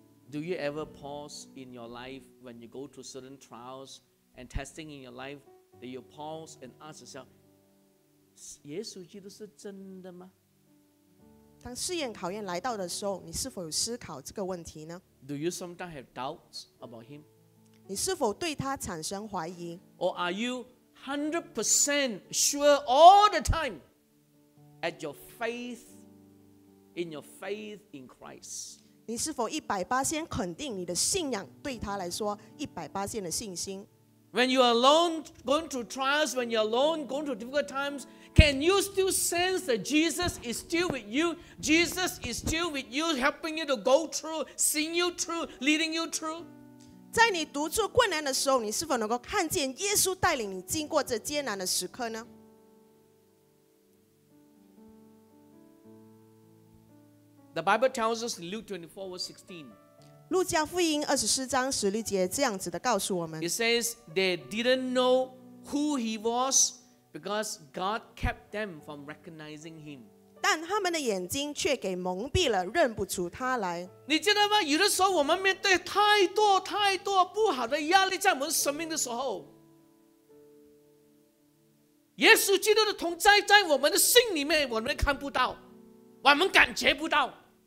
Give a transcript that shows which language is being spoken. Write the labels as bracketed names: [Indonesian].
[English] Do you ever pause in your life when you go through certain trials and testing in your life, that you pause and ask yourself, [Chinese] 耶稣基督是真的吗？当试验考验来到的时候，你是否有思考这个问题呢？ [English] Do you sometimes have doubts about him? [Chinese] 你是否对他产生怀疑？ [English] Or are you 100% sure all the time at your faith, in your faith in Christ? [Chinese] 你是否 100% 肯定你的信仰对他来说 100% 的信心？ [English] When you are alone going through trials, when you are alone going through difficult times, can you still sense that Jesus is still with you? Jesus is still with you, helping you to go through, seeing you through, leading you through? [Chinese] 在你独处困难的时候，你是否能够看见耶稣带领你经过这艰难的时刻呢？ [English] The Bible tells us in Luke 24, verse 16. [Chinese] 路加福音二十四章十六节这样子的告诉我们 [English] It says they didn't know who he was because God kept them from recognizing him. [Chinese] 但他们的眼睛却给蒙蔽了，认不出他来。你知道吗？有的时候我们面对太多太多不好的压力在我们生命的时候，耶稣基督的同在在我们的心里面，我们看不到，我们感觉不到。